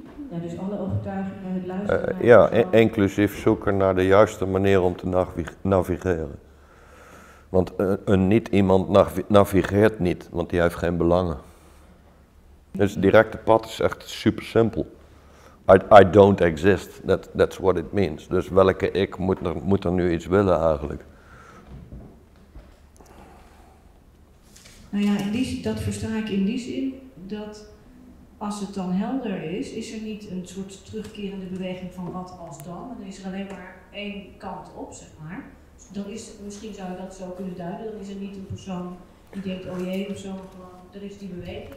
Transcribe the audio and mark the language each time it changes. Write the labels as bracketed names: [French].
[Dutch] Ja, dus alle overtuigingen, het luisteren naar inclusief zoeken naar de juiste manier om te navigeren. Want een niet-iemand navigeert niet, want die heeft geen belangen. Dus het directe pad is echt super simpel. [English] I don't exist, that's what it means. [Dutch] Dus welke ik moet er nu iets willen eigenlijk? Nou ja, dat versta ik in die zin, dat als het dan helder is, is er niet een soort terugkerende beweging van wat als dan. Dan is er alleen maar één kant op, zeg maar. Dan is, misschien zou je dat zo kunnen duiden, dan is er niet een persoon die denkt, oh jee, of zo, er is die beweging.